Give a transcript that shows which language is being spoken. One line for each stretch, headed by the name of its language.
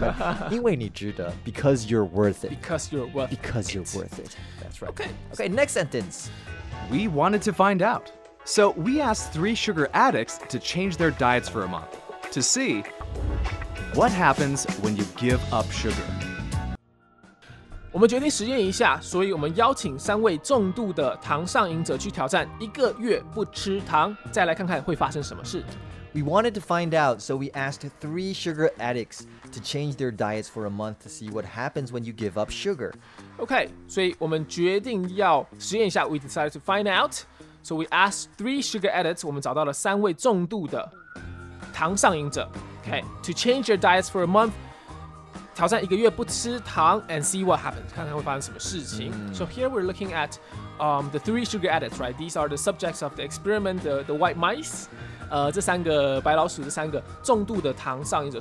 English: But
Chinese: 因为你值得,
English: because you're worth it. Because you're worth it. That's right. Okay, next sentence. We wanted to find out. So we asked three sugar addicts to change their diets for a month to see what happens when you give up sugar.
Chinese: 我们决定实验一下，所以我们邀请三位重度的糖上瘾者去挑战一个月不吃糖，再来看看会发生什么事。
English: We wanted to find out, so we asked three sugar addicts to change their diets for a month to see what happens when you give up sugar. Okay,
Chinese: 所以我们决定要实验一下。
English: We decided to find out, so we asked three sugar addicts.
Chinese: 我们找到了三位重度的糖上瘾者。
English: Okay, to change their diets for a month.
Chinese: 挑战一个月不吃糖
English: and see what happens,
Chinese: 看看会发生什么事情。
English: Mm. So here we're looking at the three sugar addicts, right? These are the subjects of the experiment, the white mice,
Chinese: 这三个白老鼠，这三个重度的糖上瘾者。